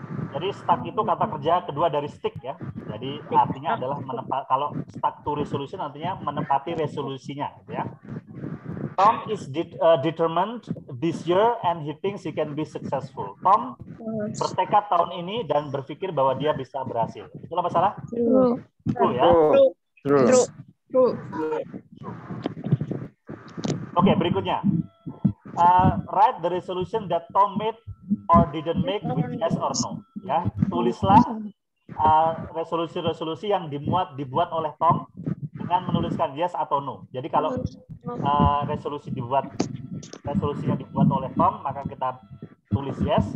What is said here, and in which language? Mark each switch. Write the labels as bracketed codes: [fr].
[id] Jadi stuck itu kata kerja kedua dari stick ya. Jadi artinya adalah menempat, kalau [en] stuck to resolution [id] artinya menempati resolusinya ya. [en] Tom is determined this year and he thinks he can be successful. [id] Tom bertekad tahun ini dan berpikir bahwa dia bisa berhasil. Itulah masalah? [en] True. [id] Ya? [en] True. [id] Oke, berikutnya. [en] Write the resolution that Tom made or didn't make with yes or no. [id] Ya, tulislah resolusi-resolusi yang dibuat oleh Tom dengan menuliskan yes atau no. Jadi kalau resolusinya dibuat oleh Tom, maka kita tulis yes.